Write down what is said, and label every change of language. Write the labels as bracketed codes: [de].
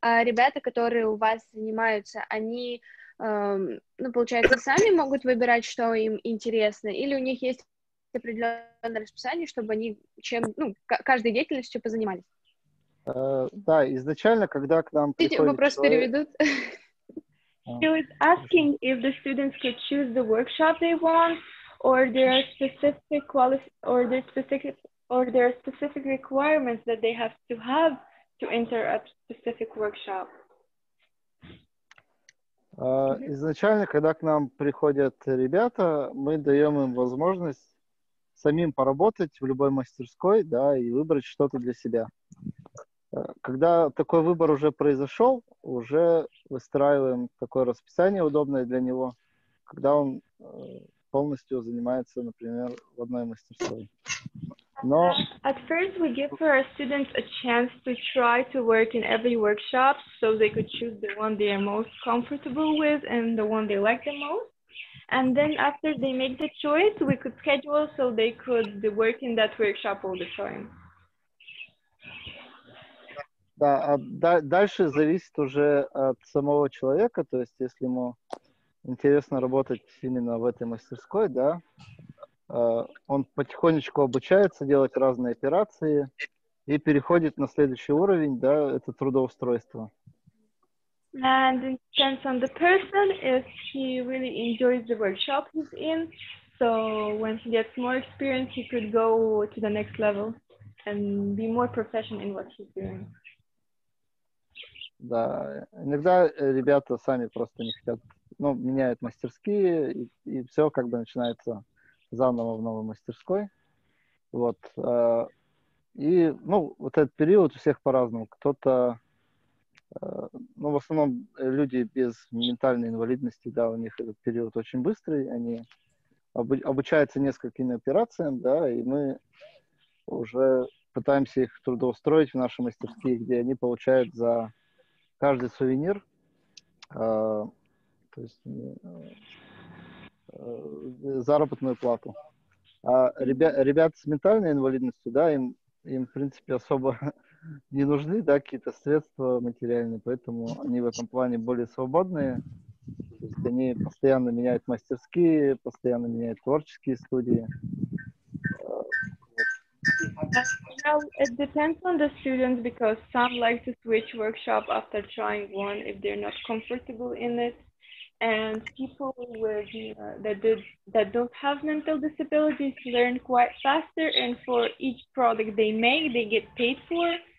[ru] А ребята, которые у вас занимаются, они... ну, получается, сами могут выбирать, что им интересно, или у них есть определенное расписание, чтобы они чем, ну, каждой деятельностью позанимались? Да, изначально, когда к нам приходит... Вопрос переведут. [en] He was asking if the students could choose the workshop they want, or there are specific specific requirements that they have to enter a specific workshop. [ru] Изначально, когда к нам приходят ребята, мы даем им возможность самим поработать в любой мастерской, да, и выбрать что-то для себя. Когда такой выбор уже произошел, уже выстраиваем такое расписание удобное для него, когда он полностью занимается, например, в одной мастерской. Но... [en] At first we give for our students a chance to try to work in every workshop so they could choose the one they are most comfortable with and the one they like the most. And then after they make the choice, we could schedule so they could work in that workshop all the time. [ru] Да, дальше зависит уже от самого человека, то есть если ему интересно работать именно в этой мастерской, да, он потихонечку обучается делать разные операции и переходит на следующий уровень, да, это трудоустройство. [en] And it depends on the person if he really enjoys the workshop he's in. So when he gets more experience, he could go to the next level and be more professional in what he's doing. [ru] Да, иногда ребята сами просто не хотят, ну, меняют мастерские и все как бы начинается заново в новой мастерской, вот, и, ну, вот этот период у всех по-разному, кто-то, ну, в основном люди без ментальной инвалидности, да, у них этот период очень быстрый, они обучаются несколькими операциям, да, и мы уже пытаемся их трудоустроить в наши мастерские, где они получают за каждый сувенир, то есть... заработную плату. А ребят с ментальной инвалидностью, да, им в принципе особо не нужны, да, какие-то средства материальные, поэтому они в этом плане более свободные. То есть они постоянно меняют мастерские, постоянно меняют творческие студии. [en] Well, it depends on the students because some like to switch workshop after trying one if they're not comfortable in it. And people with that don't have mental disabilities learn quite faster, and for each product they make, they get paid for.